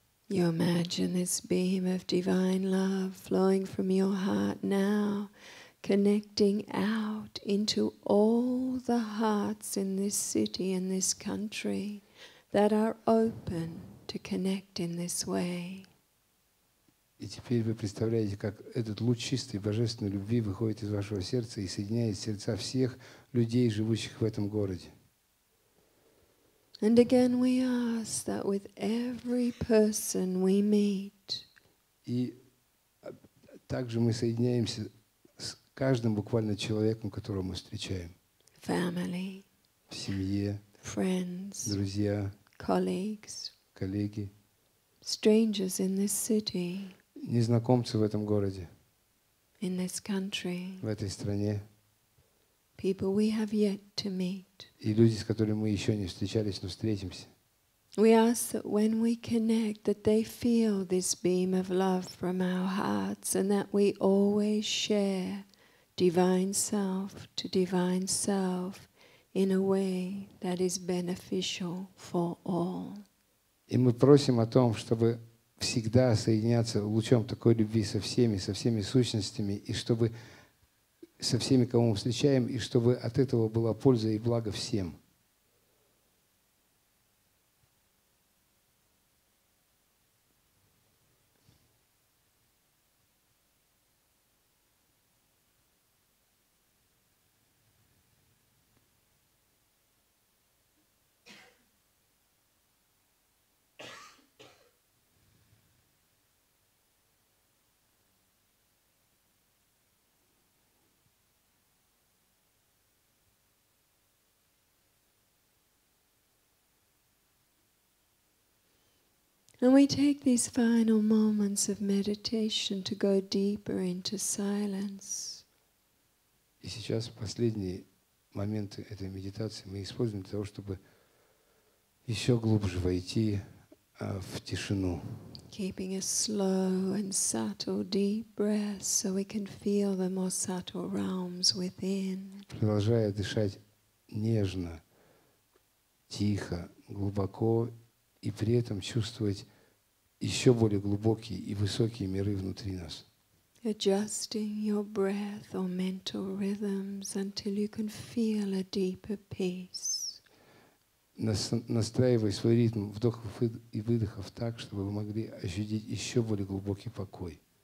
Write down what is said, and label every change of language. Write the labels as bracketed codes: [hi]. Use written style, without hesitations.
[en] You imagine this beam of divine love flowing from your heart now, connecting out into all the hearts in this city, in this country, that are open to connect in this way. [ru] И теперь вы представляете, как этот луч чистой божественной любви выходит из вашего сердца и соединяет сердца всех людей, живущих в этом городе. [en] And again we ask that with every person we meet. [ru] И также мы соединяемся с каждым буквально человеком, которого мы встречаем. [en] Family. [ru] В семье. [en] Friends. [ru] Друзья. [en] Colleagues. [ru] Коллеги. [en] Strangers in this city. [ru] Незнакомцы в этом городе. [en] In this country. [ru] В этой стране. [en] People we have yet to meet. [ru] И люди, с которыми мы еще не встречались, но встретимся. [en] We ask that when we connect, that they feel this beam of love from our hearts, and that we always share divine self to divine self in a way that is beneficial for all. [ru] И мы просим о том, чтобы всегда соединяться лучом такой любви со всеми сущностями, и чтобы со всеми, кого мы встречаем, и чтобы от этого была польза и благо всем. [en] And we take these final moments of meditation to go deeper into silence. [ru] И сейчас последние моменты этой медитации мы используем для того, чтобы еще глубже войти в тишину. [en] Keeping a slow and subtle deep breath so we can feel the more subtle realms within. [ru] Продолжая дышать нежно, тихо, глубоко, и при этом чувствовать еще более глубокие и высокие миры внутри нас. [en] Adjusting your breath or mental rhythms until you can feel a deeper peace. [ru] Настраивая свой ритм вдохов и выдохов так, чтобы вы могли ощутить еще более глубокий покой.